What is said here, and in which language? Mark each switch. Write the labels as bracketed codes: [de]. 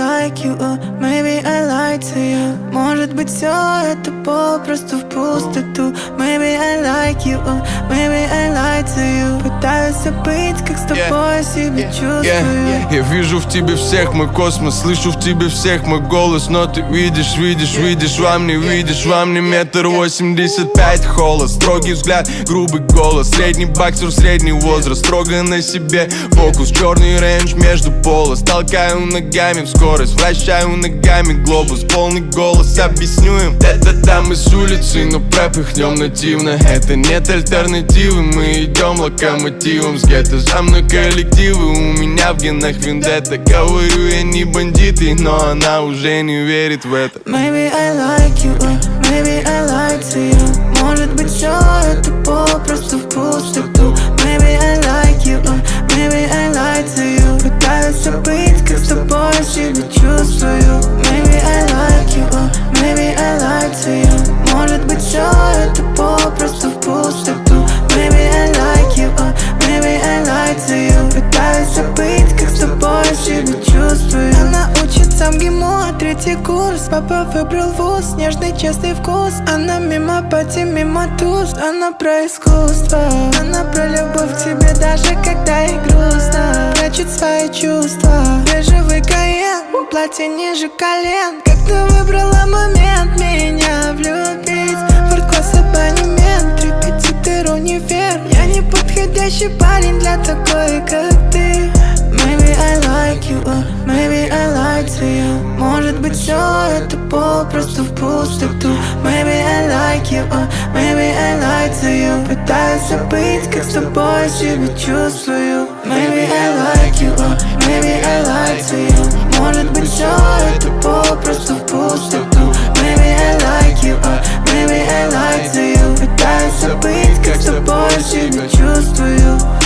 [en] like you, maybe I lied to you. [ru] Может быть, все это попросту в пустоту. [en] Maybe I like you, maybe I lied to you. [ru] Пытаюсь забыть, как с тобой себя чувствую. Я вижу в тебе всех, мой космос. Слышу в тебе всех, мой голос. Но ты видишь, видишь, видишь, во мне видишь. Во мне 1.85 метра, холост. Строгий взгляд, грубый голос. Средний боксер, средний возраст. Строго на себе фокус. Черный рейндж между полос. Толкаю ногами в скорость. Вращаю ногами глобус. Полный голос, объясню им. Да-да-да, мы с улицы, но пропыхнем нативно. Это нет альтернативы. Мы идем локомотивом с гетто. За мной коллективы, у меня в генах вендетта. Говорю, я не бандит, но она уже не верит в это. [en] Maybe I like you, maybe I lied to you. [ru] Может быть, все это попросту в пустоту. [en] Maybe I like you, maybe I lied to you. [ru] Пытаюсь забыть, как с тобой себя чувствую. [en] Maybe I like you, maybe I lied to you. [ru] Может быть, все это попросту в пустоту. [en] Maybe I like you, maybe I lied to you. [ru] Пытаюсь забыть, как с тобой себя чувствую. Она учится в ГИМО, третий курс. Папа выбрал вуз, нежный, честный вкус. Она мимо пати, мимо туз. Она про искусство. Она про любовь к тебе, даже когда ей грустно. Прячет свои чувства. Бежевый Каен, платье ниже колен. Как ты выбрала момент меня влюбить? Форт-класс, абонемент, репетитор, универ. Я не подходящий парень для такой, как ты. [en] Maybe I like you, maybe I lied to you. [ru] Может быть, все это попросту в пустоту. [en] Maybe I like you, maybe I lied to you. [ru] Пытаюсь забыть, как с тобой себя чувствую. [en] Maybe I like you, maybe I lied to you. [ru] Может быть, все это попросту в пустоту. [en] Maybe I like you, maybe I lied to you. Пытаюсь забыть, как с тобой себя чувствую.